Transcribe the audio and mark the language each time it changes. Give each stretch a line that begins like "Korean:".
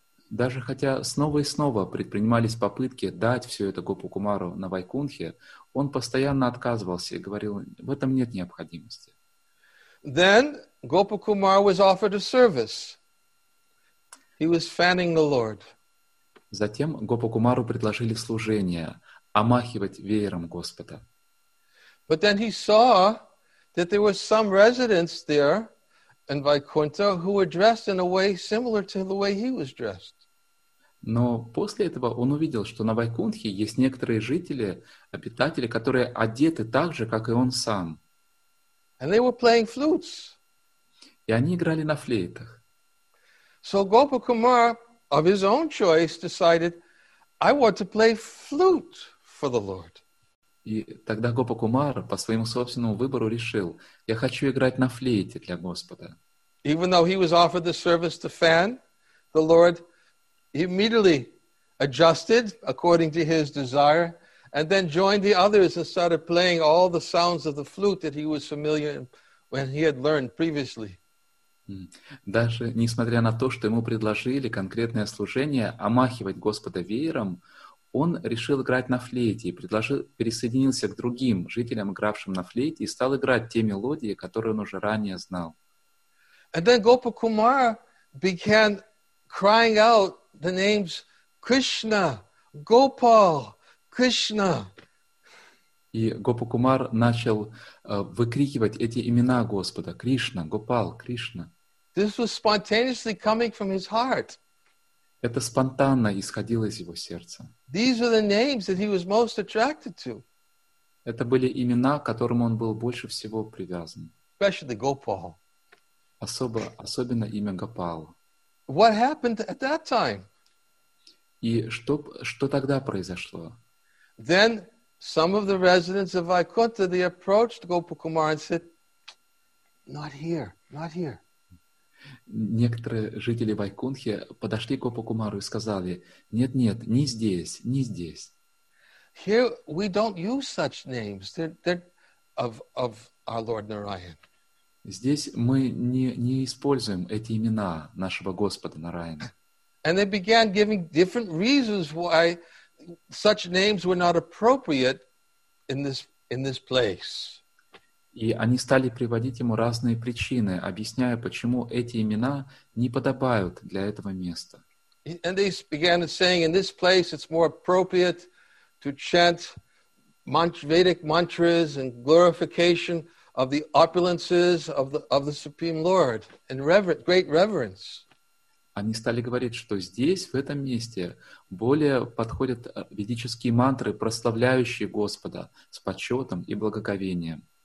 Russian: Даже хотя снова и снова предпринимались попытки дать все это Гопакумару на Вайкунтхе, он постоянно отказывался и говорил, в этом нет необходимости.
English: Then Gopakumara was offered a service. He was fanning the Lord.
Russian: Затем Гопакумару предложили служение, омахивать веером Господа.
English: But then he saw that there were some residents there in Vaikuntha who were dressed in a way similar to the way he was dressed.
Russian: Но после этого он увидел, что на Вайкунтхе есть некоторые жители, обитатели, которые одеты так же, как и он сам.
English: And they were playing flutes.
Russian: И они играли на флейтах.
English: So Gopakumara, of his own choice, decided, I want to play flute for the Lord.
Russian: И тогда Гопакумара по своему собственному выбору решил, я хочу играть на флейте для Господа.
English: Even though he was offered the service to fan, the Lord immediately adjusted according to his desire And then joined the others and started playing all the sounds of the flute that he was familiar when he had learned previously.
Russian: Даже несмотря на то, что ему предложили конкретное служение, омахивать Господа веером, он решил играть на флейте и предложил, присоединился к другим жителям, игравшим на флейте, и стал играть те мелодии, которые он уже ранее знал.
English: And then Gopakumara began crying out the names Krishna, Gopal, Krishna.
Russian: И Гопакумар начал выкрикивать эти имена Господа: Кришна, Гопал, Кришна.
English: This was spontaneously coming from his heart.
Russian: Это спонтанно исходило из его сердца.
English: These were the names that he was most attracted to.
Russian: Это были имена, к которым он был больше всего привязан.
English: Especially Gopal.
Russian: Особенно имя Гопала.
English: What happened at that time?
Russian: И что тогда произошло?
English: Then some of the residents of Vaikuntha, they approached Gopakumara and said, not here, not here.
Russian: Некоторые жители Вайкунхи подошли к Гопакумару и сказали: нет-нет, не здесь, не здесь.
English: Here we don't use such names. They're of our Lord Narayan.
Russian: Здесь мы не используем эти имена нашего Господа Нараяна.
English: And they began giving different reasons why such names were not appropriate in this place.
Russian: И они стали приводить ему разные причины, объясняя, почему эти имена не подобают для этого места.
English: And they began saying, in this place it's more appropriate to chant Vedic mantras and glorification of the opulences of the Supreme Lord in great reverence.
Russian: Они стали говорить, что здесь, в этом месте, более подходят ведические мантры, прославляющие Господа с почетом и благоговением.